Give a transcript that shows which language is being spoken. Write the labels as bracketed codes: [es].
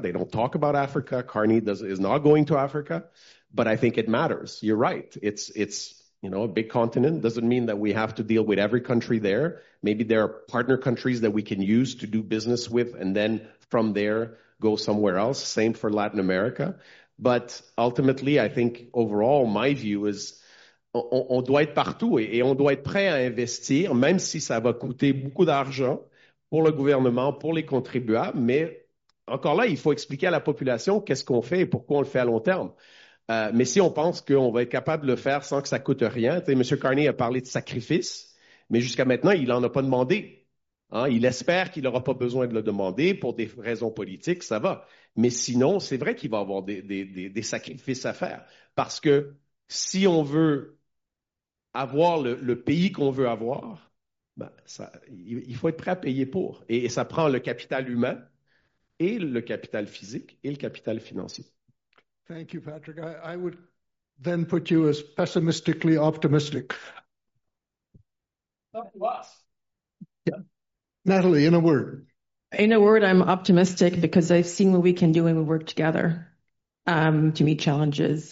[en] They don't talk about Africa. Carney is not going to Africa, but I think it matters. You're right. It's, you know, a big continent doesn't mean that we have to deal with every country there. Maybe there are partner countries that we can use to do business with, and then from there go somewhere else. Same for Latin America. But ultimately, I think overall, my view is [fr] on doit être partout et on doit être prêt à investir, même si ça va coûter beaucoup d'argent pour le gouvernement, pour les contribuables. Mais encore là, il faut expliquer à la population qu'est-ce qu'on fait et pourquoi on le fait à long terme. Mais si on pense qu'on va être capable de le faire sans que ça coûte rien, tu sais, M. Carney a parlé de sacrifice, mais jusqu'à maintenant, il n'en a pas demandé. Hein, il espère qu'il n'aura pas besoin de le demander pour des raisons politiques, ça va. Mais sinon, c'est vrai qu'il va avoir des sacrifices à faire. Parce que si on veut avoir le pays qu'on veut avoir, ben ça, il faut être prêt à payer pour. Et ça prend le capital humain et le capital physique et le capital financier. [en] Thank you, Patrick. I would then put you as pessimistically optimistic. Not to us. Yeah. Natalie, in a word. In a word, I'm optimistic because I've seen what we can do when we work together to meet challenges.